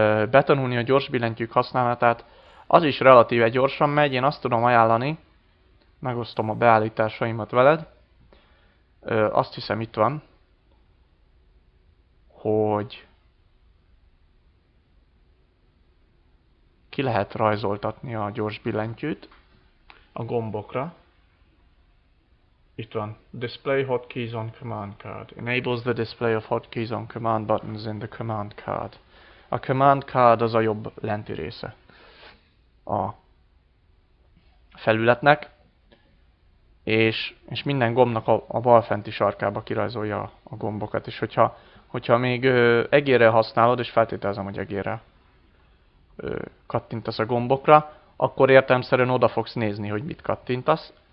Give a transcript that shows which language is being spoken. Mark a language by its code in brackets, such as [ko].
[hu] Betanulni a gyors billentyűk használatát, az is relatíve gyorsan megy, én azt tudom ajánlani, megosztom a beállításaimat veled. Azt hiszem itt van, hogy ki lehet rajzoltatni a gyors billentyűt a gombokra. Itt van. [en] Display hotkeys on command card. Enables the display of hotkeys on command buttons in the command card. [hu] A command card az a jobb lenti része a felületnek. És minden gombnak a bal fenti sarkába kirajzolja a gombokat. És hogyha még egérrel használod, és feltételezem, hogy egérrel kattintasz a gombokra, akkor értelemszerűen oda fogsz nézni, hogy mit kattintasz.